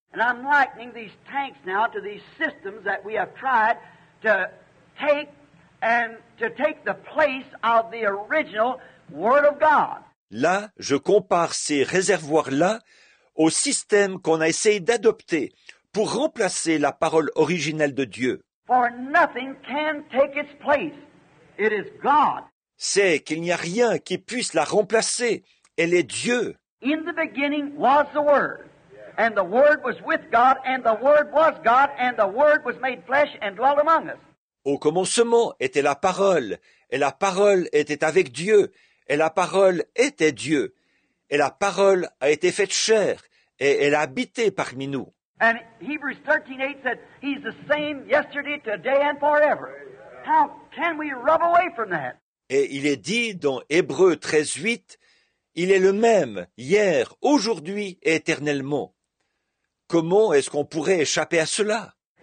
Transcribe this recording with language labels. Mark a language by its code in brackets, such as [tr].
[en] And I'm likening these tanks now to these systems that we have tried to take and to take the place of the original Word of God. [fr] Là, je compare ces réservoirs-là au système qu'on a essayé d'adopter pour remplacer la parole originelle de Dieu. [en] For nothing can take its place. It is God. [fr] C'est qu'il n'y a rien qui puisse la remplacer. Elle est Dieu. [en] In the beginning was the Word. And the Word was with God, and the Word was God, and the Word was made flesh and dwelt among us. [fr] Au commencement était la parole, et la parole était avec Dieu, et la parole était Dieu. Et la parole a été faite chair, et elle a habité parmi nous. [en] And Hebrews 13:8 said, He's the same yesterday, today, and forever. How can we rub away from that? [fr] Et il est dit dans Hébreux 13:8, Il est le même, hier, aujourd'hui et éternellement. Comment est-ce qu'on pourrait échapper à cela?